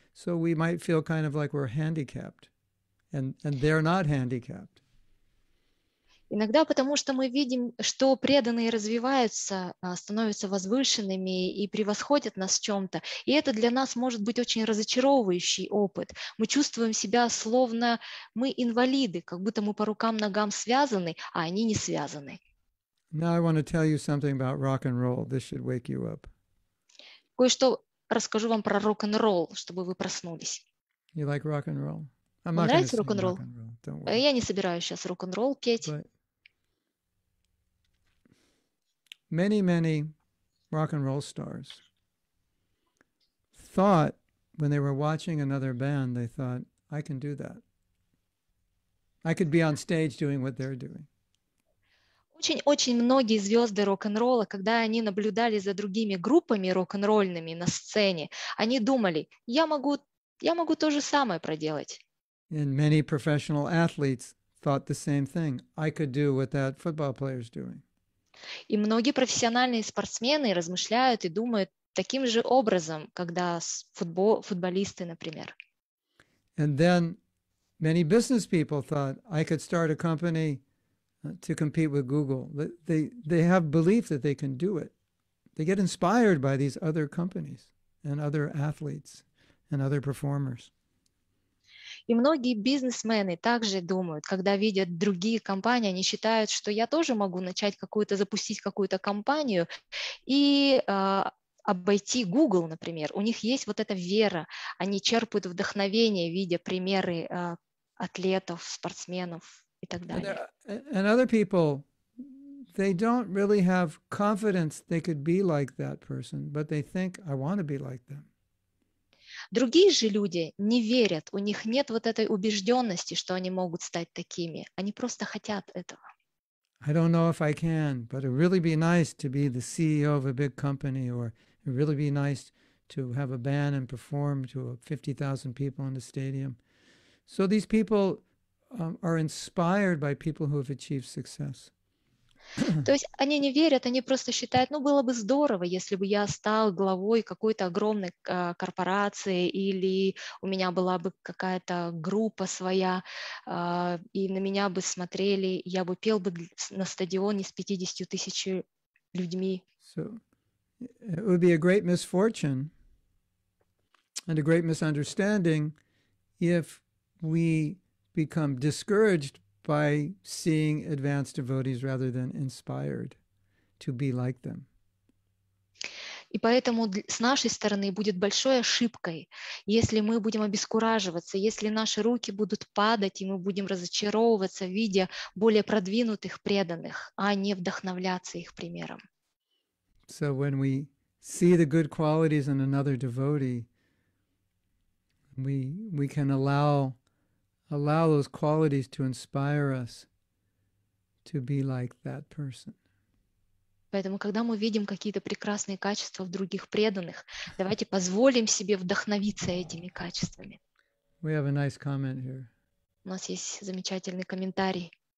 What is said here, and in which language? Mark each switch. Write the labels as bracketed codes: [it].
[en] So we might feel kind of like we're handicapped, and they're not handicapped. [ru] Иногда потому что мы видим, что преданные развиваются, становятся возвышенными и превосходят нас в чем-то, и это для нас может быть очень разочаровывающий опыт. Мы чувствуем себя словно мы инвалиды, как будто мы по рукам ногам связаны, а они не связаны. [en] Now I want to tell you something about rock and roll. This should wake you up. [ru] Кое-что расскажу вам про рок-н-ролл, чтобы вы проснулись. [en] You like rock and roll? I'm not [ru] нравится рок-н-ролл? Я не собираюсь сейчас рок-н-ролл петь. [en] But many, many rock and roll stars thought when they were watching another band, they thought, I can do that. I could be on stage doing what they're doing. [ru] Очень-очень многие звезды рок-н-ролла, когда они наблюдали за другими группами рок-н-ролльными на сцене, они думали, я могу то же самое проделать. И многие профессиональные спортсмены размышляют и думают таким же образом, когда футболисты, например. [en] And then many business people thought, I could start a company to compete with Google. They have belief that they can do it. They get inspired by these other companies and other athletes and other performers. [ru] И многие бизнесмены также думают, когда видят другие компании, они считают, что я тоже могу начать какую-то, запустить какую-то компанию и обойти Google, например. У них есть вот эта вера. Они черпают вдохновение, видя примеры атлетов, спортсменов. [en] And other people, they don't really have confidence they could be like that person, but they think, I want to be like them. [ru] Другие же люди не верят, у них нет вот этой убежденности, что они могут стать такими. Они просто хотят этого. [en] I don't know if I can, but it'd really be nice to be the CEO of a big company, or it'd really be nice to have a band and perform to 50,000 people in the stadium. So these people are inspired by people who have achieved success. [ru] То есть они не верят, они просто считают, ну было бы здорово, если бы я стал главой какой-то огромной корпорации или у меня была бы какая-то группа своя, и на меня бы смотрели, я бы пел бы на стадионе с 50 тысяч людьми. [en] So it would be a great misfortune and a great misunderstanding if we become discouraged by seeing advanced devotees rather than inspired to be like them. [ru] И поэтому с нашей стороны будет большой ошибкой, если мы будем обескураживаться, если наши руки будут падать, и мы будем разочаровываться в виде более продвинутых преданных, а не вдохновляться их примером. [en] So when we see the good qualities in another devotee, we can allow those qualities to inspire us to be like that person. [ru] Поэтому, когда мы видим какие-то прекрасные качества в других преданных, давайте позволим себе вдохновиться этими качествами. [en] We have a nice comment here. [ru] У нас есть замечательный комментарий.